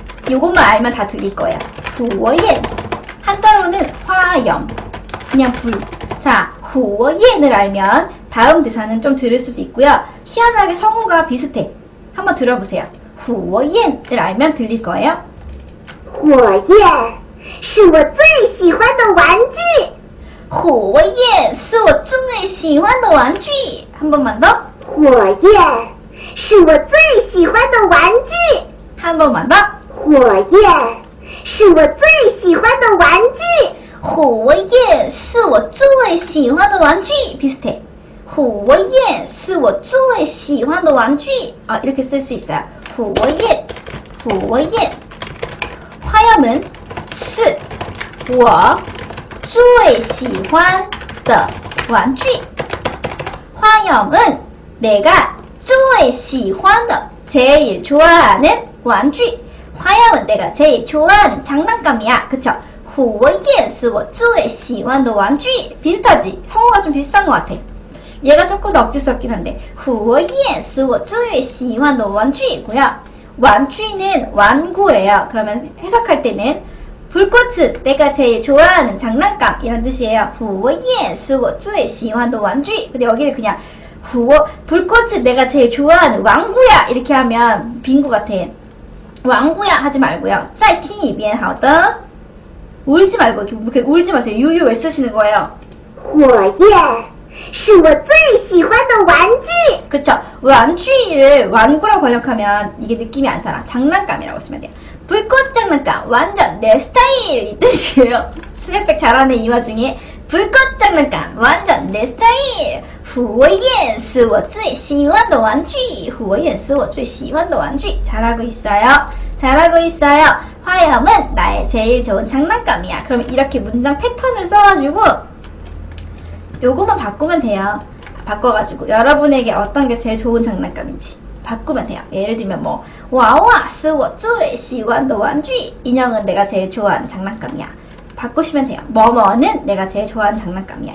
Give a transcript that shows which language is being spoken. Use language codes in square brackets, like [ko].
[ko] 요것만 알면 다 들릴 거예요. 후어옌. 한자로는 화염. 그냥 불. 자, 후어옌을 알면 다음 대사는 좀 들을 수도 있고요. 희한하게 성우가 비슷해. 한번 들어보세요. 후어옌을 알면 들릴 거예요. [zh] 후어옌. 是我最喜欢的玩具火焰是我最喜欢的玩具 [ko] 한 번만 더 [zh] 火焰是我最喜欢的玩具 [ko] 한 번만 더 [zh] 火焰是我最喜欢的玩具火焰是我最喜欢的玩具 [ko] 비슷해 火焰是我最喜欢的玩具 이렇게 쓸 수 있어요 火焰 화염은 是 我最喜欢的玩具 화염은 내가 最喜欢的 제일 좋아하는 玩具 화염은 내가 제일 좋아하는 장난감이야 그쵸? [zh] 후어옌是我最喜欢的玩具 [ko] 비슷하지? 성우가 좀 비슷한 것 같아 얘가 조금 억지스럽긴 한데 후어옌 [zh] 是我最喜欢的玩具 [ko] 고요 玩具는 玩구예요 그러면 해석할 때는 불꽃은 내가 제일 좋아하는 장난감 이런 뜻이에요. 후어옌 [zh] 是我最喜欢的玩具 [ko] 근데 여기는 그냥 불꽃은 내가 제일 좋아하는 왕구야 이렇게 하면 빙구 같아. 왕구야 하지 말고요. [zh] 再听一遍好的 [ko] 울지 말고 이렇게 울지 마세요. 유유 왜 쓰시는 거예요? [zh] 후어옌 是我最喜欢的玩具. [ko] 그쵸. 玩具를 玩구라고 번역하면 이게 느낌이 안 살아. 장난감이라고 쓰면 돼요. 불꽃 장난감 완전 내 스타일 이 뜻이에요. 스냅백 잘하는 이 와중에 불꽃 장난감 완전 내 스타일. [zh] 火焰是我最喜欢的玩具.火焰是我最喜欢的玩具. [ko] 잘하고 있어요. 잘하고 있어요. 화염은 나의 제일 좋은 장난감이야. 그럼 이렇게 문장 패턴을 써가지고 요것만 바꾸면 돼요. 바꿔가지고 여러분에게 어떤 게 제일 좋은 장난감인지 바꾸면 돼요. 예를 들면 뭐 [zh] 娃娃是我最喜欢的玩具. [ko] 인형은 내가 제일 좋아하는 장난감이야. 바꾸시면 돼요. 뭐뭐는 내가 제일 좋아하는 장난감이야.